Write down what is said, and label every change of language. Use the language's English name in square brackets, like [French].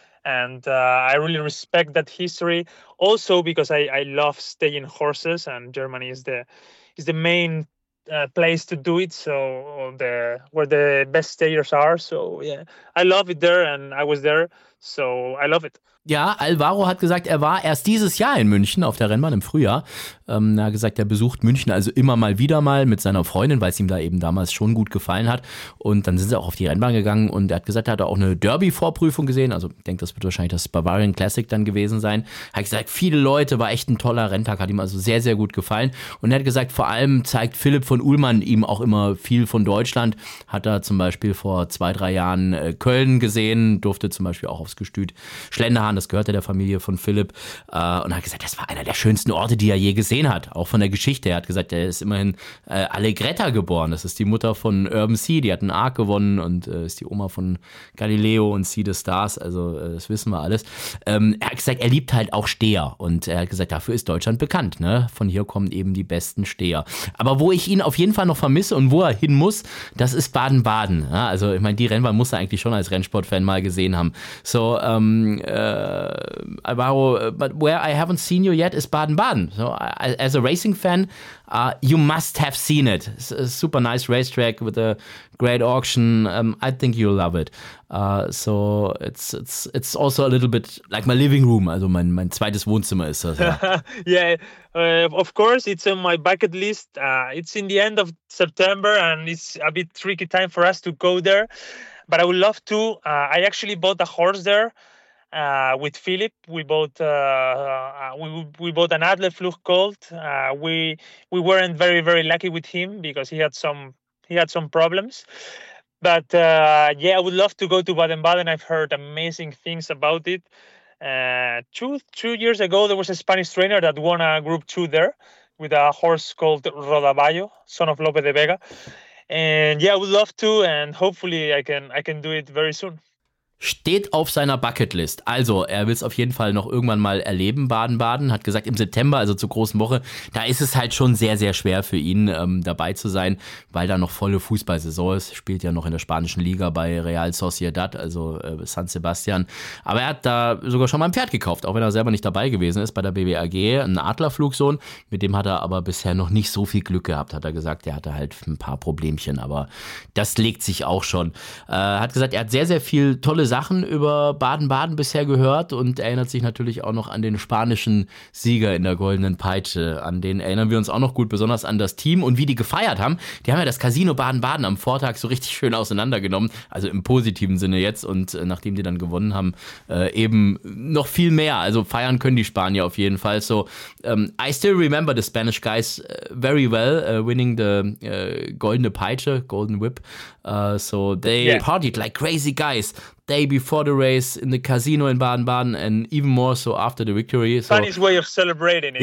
[English] And I really respect that history also because I love staying horses, and Germany is the main place to do it, so where the best stayers are. So yeah, I love it there, and I was there, so I love it. [German] Ja, Alvaro hat gesagt, er war erst dieses Jahr in München auf der Rennbahn im Frühjahr. Er hat gesagt, er besucht München also immer mal wieder mal mit seiner Freundin, weil es ihm da eben damals schon gut gefallen hat. Und dann sind sie auch auf die Rennbahn gegangen und er hat gesagt, er hat auch eine Derby-Vorprüfung gesehen. Also ich denke, das wird wahrscheinlich das Bavarian Classic dann gewesen sein. Er hat gesagt, viele Leute, war echt ein toller Renntag, hat ihm also sehr, sehr gut gefallen. Und er hat gesagt, vor allem zeigt Philipp von Uhlmann ihm auch immer viel von Deutschland. Hat er zum Beispiel vor 2-3 Jahren Köln gesehen, durfte zum Beispiel auch aufs Gestüt Schlenderhahn. Das gehörte der Familie von Philipp und hat gesagt, das war einer der schönsten Orte, die er je gesehen hat, auch von der Geschichte. Er hat gesagt, er ist immerhin Allegretta geboren, das ist die Mutter von Urban Sea, die hat einen Arc gewonnen und ist die Oma von Galileo und Sea the Stars, also das wissen wir alles. Er hat gesagt, er liebt halt auch Steher und er hat gesagt, dafür ist Deutschland bekannt, ne? Von hier kommen eben die besten Steher. Aber wo ich ihn auf jeden Fall noch vermisse und wo er hin muss, das ist Baden-Baden. Ja, also ich meine, die Rennbahn muss er eigentlich schon als Rennsportfan mal gesehen haben. [English] So, Alvaro, but where I haven't seen you yet is Baden-Baden. So, as a racing fan, you must have seen it. It's a super nice racetrack with a great auction. I think you'll love it. So, it's also a little bit like my living room. [German] Also, mein zweites Wohnzimmer ist das. [English] Yeah, of course, it's on my bucket list. It's in the end of September and it's a bit tricky time for us to go there. But I would love to. I actually bought a horse there. With Philip, we bought an Adler Fluch colt. We weren't very, very lucky with him because he had some problems. But yeah, I would love to go to Baden-Baden. I've heard amazing things about it. Two years ago, there was a Spanish trainer that won a Group 2 there with a horse called Rodaballo, son of Lope de Vega. And yeah, I would love to, and hopefully I can do it very soon. [German] Steht auf seiner Bucketlist. Also, er will es auf jeden Fall noch irgendwann mal erleben, Baden-Baden. Hat gesagt, im September, also zur großen Woche, da ist es halt schon sehr, sehr schwer für ihn dabei zu sein, weil da noch volle Fußballsaison ist. Spielt ja noch in der spanischen Liga bei Real Sociedad, also San Sebastian. Aber er hat da sogar schon mal ein Pferd gekauft, auch wenn er selber nicht dabei gewesen ist bei der BWAG. Ein Adlerflugsohn, mit dem hat er aber bisher noch nicht so viel Glück gehabt, hat er gesagt. Er hatte halt ein paar Problemchen, aber das legt sich auch schon. Hat gesagt, er hat sehr, sehr viel tolle Sachen über Baden-Baden bisher gehört und erinnert sich natürlich auch noch an den spanischen Sieger in der goldenen Peitsche. An den erinnern wir uns auch noch gut, besonders an das Team und wie die gefeiert haben. Die haben ja das Casino Baden-Baden am Vortag so richtig schön auseinandergenommen, also im positiven Sinne jetzt. Und nachdem die dann gewonnen haben, eben noch viel mehr. Also feiern können die Spanier auf jeden Fall. [English] So, I still remember the Spanish guys very well, winning the goldene Peitsche, golden whip. So they partied like crazy guys day before the race in the casino in Baden-Baden and even more so after the victory. So, Spanish way of celebrating it.